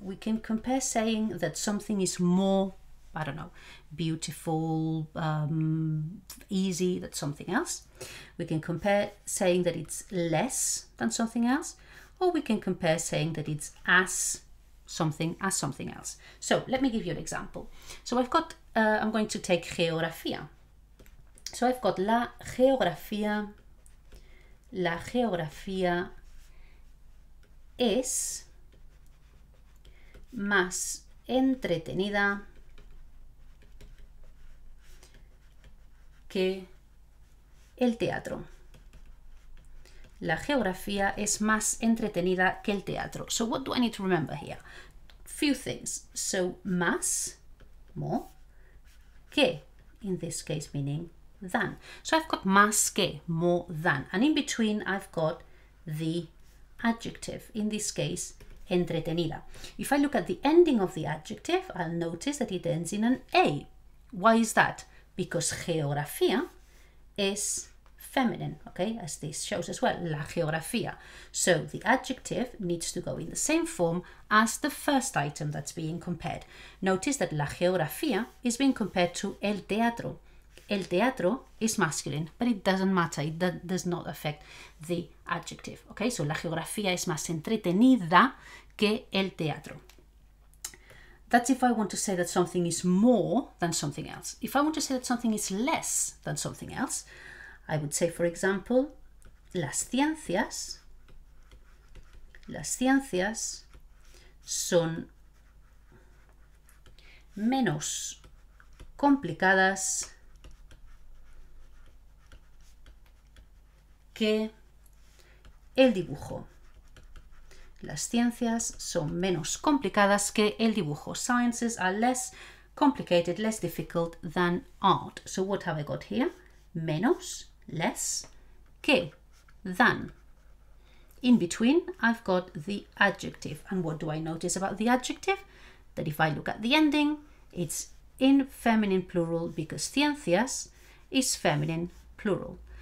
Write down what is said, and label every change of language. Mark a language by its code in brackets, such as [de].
[en] We can compare saying that something is more, I don't know, beautiful, easy than something else. We can compare saying that it's less than something else, or we can compare saying that it's as something else. So let me give you an example. So I've got, I'm going to take geografía. So I've got [es] la geografía es más entretenida que el teatro. La geografía es más entretenida que el teatro. [en] So what do I need to remember here? Few things. So más, more, que, in this case meaning than. So I've got más que, more than. And in between I've got the adjective, in this case, entretenida. If I look at the ending of the adjective, I'll notice that it ends in an A, Why is that? Because geografía is feminine, okay, as this shows as well, la geografía. So the adjective needs to go in the same form as the first item that's being compared. Notice that la geografía is being compared to el teatro. El teatro is masculine, but it doesn't matter. It does not affect the adjective. Okay, so [es] la geografía es más entretenida que el teatro. [en] That's if I want to say that something is more than something else. If I want to say that something is less than something else, I would say, for example, [es] las ciencias son menos complicadas que el dibujo. Las ciencias son menos complicadas que el dibujo. [en] Sciences are less complicated, less difficult than art. So what have I got here? Menos, less, que, than. In between, I've got the adjective. And what do I notice about the adjective? That if I look at the ending, it's in feminine plural because ciencias is feminine plural.